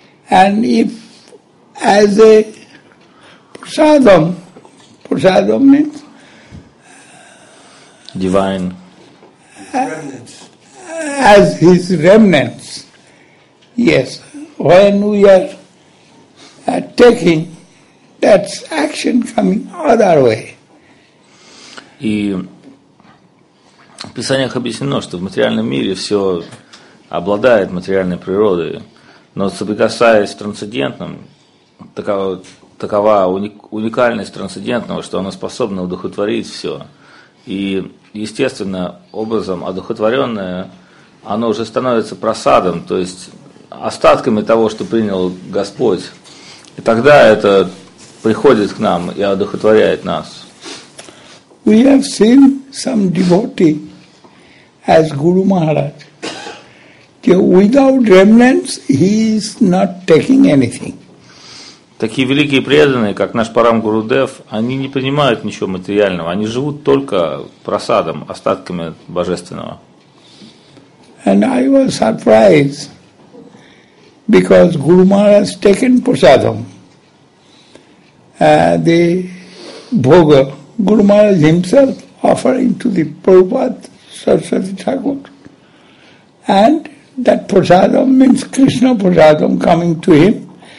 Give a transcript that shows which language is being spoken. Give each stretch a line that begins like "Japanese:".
English: And if as a prasadam, prasadam means divine, as his remnants, yes. When we are taking, that's action coming other way.
Russian: И в Писаниях объяснено, что в материальном мире все обладает материальной природой, но соприкасаясь с трансцендентным, такова уникальность трансцендентного, что оно способно удовлетворить все. И, естественно, образом одухотворенное, оно уже становится просадом, то есть остатками того, что принял Господь, и тогда это приходит к нам и одухотворяет нас.
English: We have seen some devotee as Guru Maharaj. Without remnants, he is not taking anything.
Russian: Такие великие преданные, как наш Парам Гурудев, они не принимают ничего материального, они живут только просадом, остатками божественного.
English: And I was surprised. Because Guru Maharaj has taken prasadam, the bhoga, Guru Maharaj himself offering to the Prabhupada Saraswati Thakur. And that prasadam means Krishna prasadam coming to him.